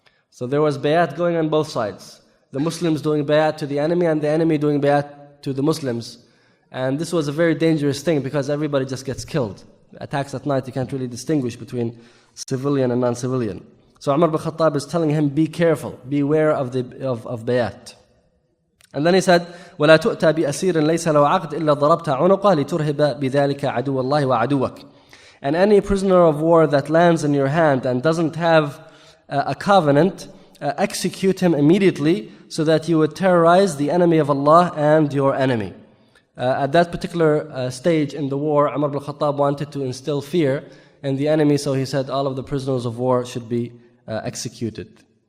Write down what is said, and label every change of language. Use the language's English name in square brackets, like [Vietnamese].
[English] So there was bayat going on both sides. The Muslims doing bayat to the enemy and the enemy doing bayat to the Muslims. And this was a very dangerous thing because everybody just gets killed. Attacks at night, you can't really distinguish between civilian and non-civilian. So Umar ibn Khattab is telling him, be careful, beware of the of bayat. And then he said, [Arabic] وَلَا تُؤْتَى بِأَسِيرٍ لَيْسَ لَوْ عَقْدْ إِلَّا ضَرَبْتَ عُنُقَهْ لِتُرْهِبَ بِذَلِكَ عَدُوَ اللَّهِ وَعَدُوَكَ. [English] And any prisoner of war that lands in your hand and doesn't have a covenant, execute him immediately so that you would terrorize the enemy of Allah and your enemy. At that particular stage in the war, Umar ibn Khattab wanted to instill fear in the enemy, so he said all of the prisoners of war should be executed.